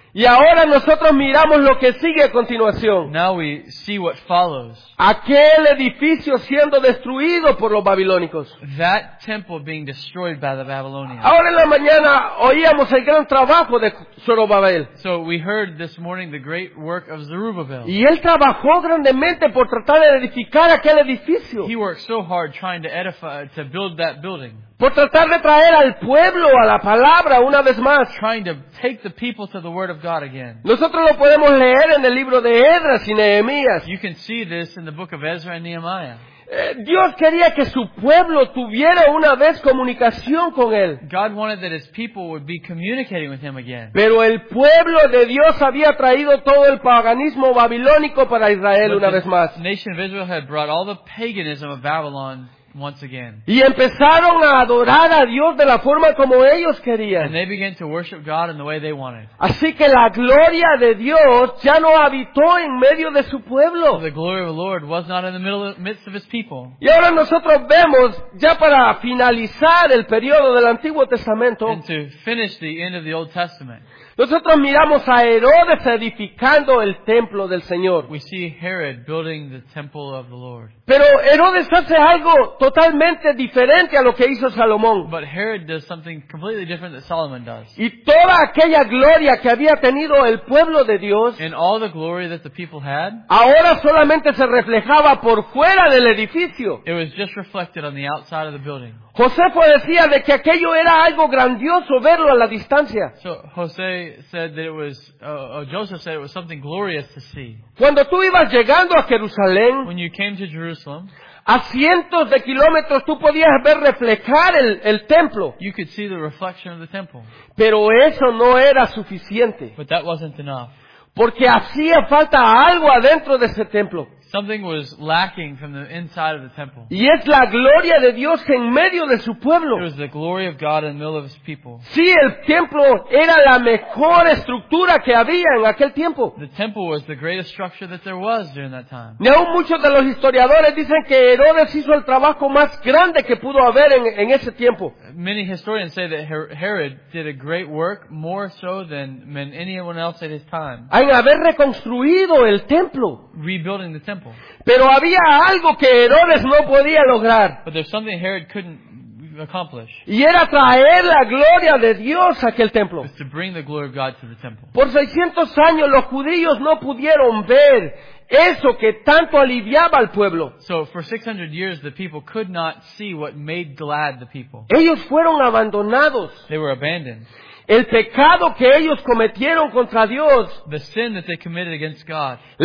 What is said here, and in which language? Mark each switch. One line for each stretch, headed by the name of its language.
Spanish: Y ahora nosotros miramos lo que sigue a continuación.
English: Now we see what follows.
Spanish: Aquel edificio siendo destruido por los babilónicos.
English: That temple being destroyed by the Babylonians.
Spanish: Ahora en la mañana oíamos el gran trabajo de Zorobabel.
English: So we heard this morning the great work of Zerubbabel.
Spanish: Y él trabajó grandemente por tratar de edificar aquel edificio.
English: He worked so hard trying to edify, to build that building.
Spanish: Por tratar de traer al pueblo a la palabra una vez más.
English: Trying to take the people to the word of God again.
Spanish: Nosotros lo podemos leer en el libro de Esdras y Nehemías.
English: You can see this in the book of Ezra and Nehemiah.
Spanish: Dios quería que su pueblo tuviera una vez comunicación con él.
English: God wanted that his people would be communicating with him again.
Spanish: Pero el pueblo de Dios había traído todo el paganismo babilónico para Israel una vez más.
English: The nation of Israel had brought all the paganism of Babylon. Once again.
Spanish: Y empezaron a adorar a Dios de la forma como ellos querían.
English: And they began to worship God in the way they wanted.
Spanish: Así que la gloria de Dios ya no habitó en medio de su pueblo.
English: The glory of the Lord was not in the midst of his people.
Spanish: Y ahora nosotros vemos, ya para finalizar el periodo del Antiguo Testamento,
English: and to finish the end of the Old Testament,
Spanish: nosotros miramos a Herodes edificando el templo del Señor.
English: We see Herod building the temple of the Lord.
Spanish: Pero Herodes hace algo totalmente diferente a lo que hizo Salomón.
English: But Herod does something completely different that Solomon does.
Spanish: Y toda aquella gloria que había tenido el pueblo de Dios,
English: and all the glory that the people had,
Spanish: ahora solamente se reflejaba por fuera del edificio.
English: It was just reflected on the outside of the building.
Spanish: Josefo decía de que aquello era algo grandioso verlo a la distancia.
English: So José said that it was, Joseph said it was something glorious to see.
Spanish: Cuando tú ibas llegando a Jerusalén,
English: when you came to Jerusalem,
Spanish: a cientos de kilómetros tú podías ver reflejar el templo.
English: You could see the reflection of the temple.
Spanish: Pero eso no era suficiente.
English: But that wasn't enough.
Spanish: Porque hacía falta algo adentro de ese templo.
English: Something was lacking from the inside of the temple.
Spanish: Y es la gloria de Dios en medio de su pueblo.
English: It was the glory of God in the middle of his people.
Spanish: Sí, el templo era la mejor estructura que había en aquel tiempo.
English: The temple was the greatest structure that there was during that time.
Spanish: Y aún muchos de los historiadores dicen que Herodes hizo el trabajo más grande que pudo haber en ese tiempo.
English: Many historians say that Herod did a great work, more so than anyone else at his time.
Spanish: En haber reconstruido el templo.
English: Rebuilding the temple.
Spanish: Pero había algo que Herodes no podía lograr.
English: But there's something Herod couldn't accomplish.
Spanish: Y era traer la gloria de Dios a aquel templo.
English: It's to bring the glory of God to the temple.
Spanish: Por 600 años los judíos no pudieron ver eso que tanto aliviaba al pueblo.
English: So for 600 years the people could not see what made glad the people.
Spanish: Ellos fueron abandonados.
English: They were abandoned.
Spanish: El pecado que ellos cometieron contra Dios,
English: the sin that they committed against God,